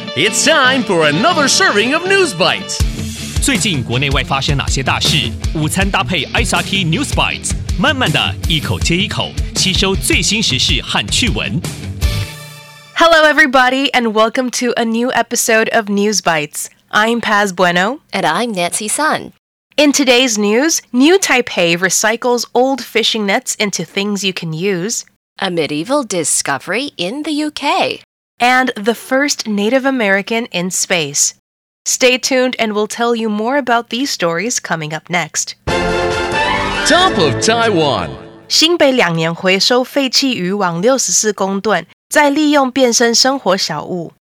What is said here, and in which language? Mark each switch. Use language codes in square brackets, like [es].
[en] It's time for another serving of News Bites. [zh] 最近国内外发生哪些大事？午餐搭配 SRT News Bites， 慢慢的一口接一口，吸收最新时事和趣闻。 [en] Hello, everybody, and welcome to a new episode of News Bites. I'm Paz Bueno, and I'm Nancy Sun. In today's news, New Taipei recycles old fishing nets into things you can use. A medieval discovery in the UK. And the first Native American in space. Stay tuned and we'll tell you more about these stories coming up next. Top of Taiwan. [zh] 新北两年回收废弃渔网64公吨，再利用变身生活小物。